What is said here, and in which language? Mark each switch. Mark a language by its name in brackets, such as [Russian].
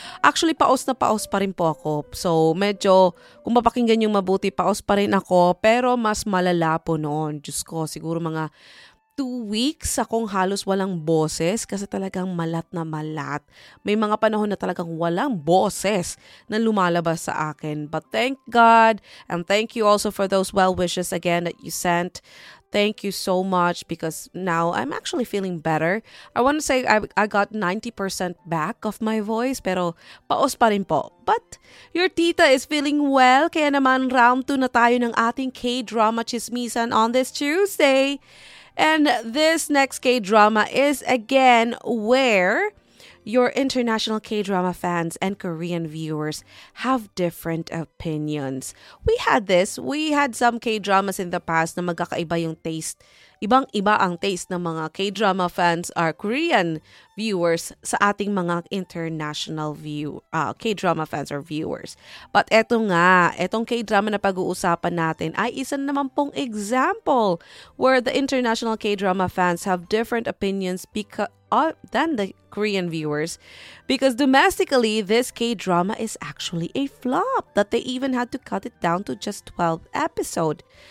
[Filipino] Actually, paos pa rin po ako. So medyo, kung mapakinggan nyo mabuti, paos pa rin ako. Pero mas malala po noon. Diyos ko, siguro mga 2 weeks akong halos walang boses kasi talagang malat na malat. May mga panahon na talagang walang boses na lumalabas sa akin. [English] But thank God, and thank you also for those well wishes again that you sent. Thank you so much because now I'm actually feeling better. I want to say I got 90% back of my voice, [Filipino] pero paos pa rin po. [English] But your tita is feeling well, [Filipino] kaya naman round 2 na tayo ng ating K-drama chismisan [English] on this Tuesday. And this next K-drama is again where your international K-drama fans and Korean viewers have different opinions. We had this. We had some K-dramas in the past [Filipino] na magkakaiba yung taste. Ibang-iba ang taste ng mga K-drama fans or Korean viewers sa ating mga international K-drama fans or viewers. [English] But [Filipino] eto nga, etong K-drama na pag-uusapan natin ay isa naman pong [English] example where the international K-drama fans have different opinions than the Korean viewers, because domestically, this K-drama is actually a flop that they even had to cut it down to just 12 episodes.